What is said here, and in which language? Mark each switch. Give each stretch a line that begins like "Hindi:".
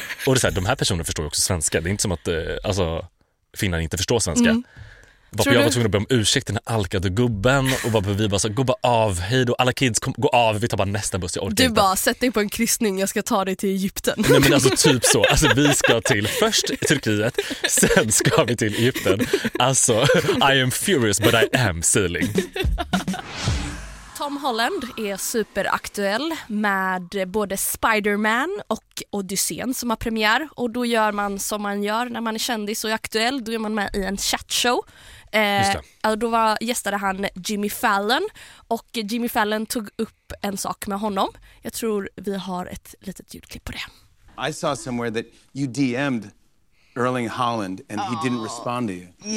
Swedish: Och det är så här, de här personerna förstår ju också svenska. Det är inte som att finnar inte förstår svenska. Mm. Varför jag var tvungen att be om ursäkt den här alkade gubben. Och varför vi bara så gå bara av, hej då. Alla kids, kom, gå av, vi tar bara nästa buss. Jag orkar du inte. Bara, sätt dig på en kryssning, jag ska ta dig till Egypten. Nej men alltså typ så. Alltså vi ska till först Turkiet, sen ska vi till Egypten.
English: Alltså, I am furious but I am sailing.
Swedish: Tom Holland är superaktuell med både Spider-Man och Odysseen som har premiär. Och då gör man som man gör när man är kändis och är aktuell. Då är man med i en chatshow. Då gästade han Jimmy Fallon. Och Jimmy Fallon tog upp en sak med honom. Jag tror vi har ett litet ljudklipp på det.
English: I saw somewhere that you DM'd Erling Haaland and he didn't respond to you.